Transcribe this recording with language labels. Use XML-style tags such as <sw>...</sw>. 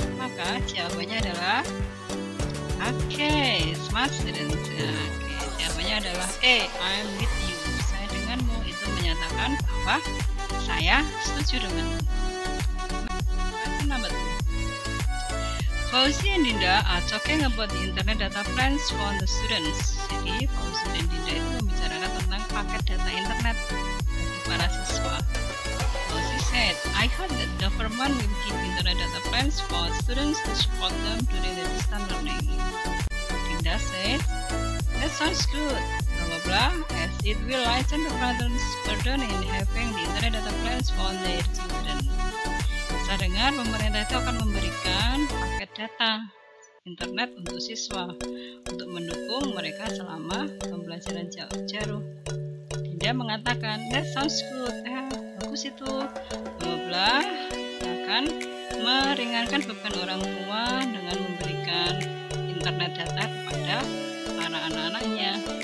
<id>Maka jawabannya adalah, Oke, jawabannya adalah A,</id> <en>I'm with you.</en> <id>Saya denganmu, itu menyatakan bahwa saya setuju denganmu.</id> <en>Question number 2. Fauzi and Dinda are talking about the internet data plans for the students.</en> <id>Jadi, Fauzi dan Dinda itu membicarakan tentang paket data internet bagi para siswa.</id> <en>Fauzi said, I heard that government will give internet data plans for students to support them during the distance learning. Dinda said, that sounds good, blah blah blah, as it will lighten the parents' burden in having the internet data plans for their children.</en> <id>Saya dengar pemerintah itu akan memberikan paket data internet untuk siswa untuk mendukung mereka selama pembelajaran jarak jauh. Dinda mengatakan,</id> <en>that sounds good,</en> <id>ya, bagus itu, blah blah blah, akan meringankan beban orang tua dengan memberikan internet data kepada para anak-anaknya.</id>